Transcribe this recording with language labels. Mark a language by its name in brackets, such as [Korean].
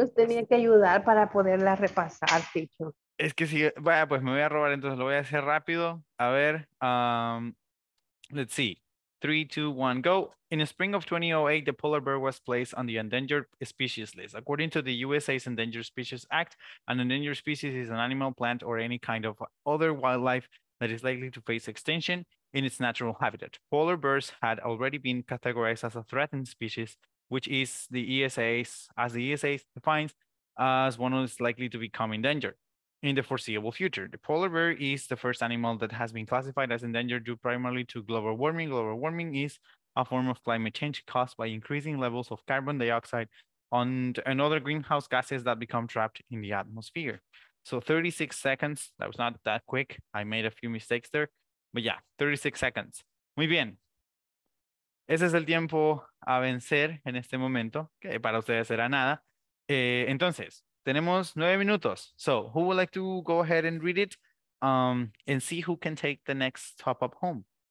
[Spanish] Entonces tenía que ayudar para poderla repasar, teacher. Es que si, vaya, pues me voy a robar, entonces lo voy a hacer rápido. A ver, [English] let's see. 3, 2, 1, go. In the spring of 2008, the polar bear was placed on the endangered species list. According to the USA's Endangered Species Act, an endangered species is an animal, plant, or any kind of other wildlife that is likely to face extinction in its natural habitat. Polar bears had already been categorized as a threatened species, which is the ESA's, as the ESA defines, as one that is likely to become endangered in the foreseeable future. The polar bear is the first animal that has been classified as endangered due primarily to global warming. Global warming is a form of climate change caused by increasing levels of carbon dioxide and other greenhouse gases that become trapped in the atmosphere. So 36 seconds, that was not that quick. I made a few mistakes there, but yeah, 36 seconds. [Spanish] Muy bien. Ese es el tiempo a vencer en este momento, que para ustedes será nada. Entonces, tenemos 9 minutos. [English] So who would like to go ahead and read it and see who can take the next top up home?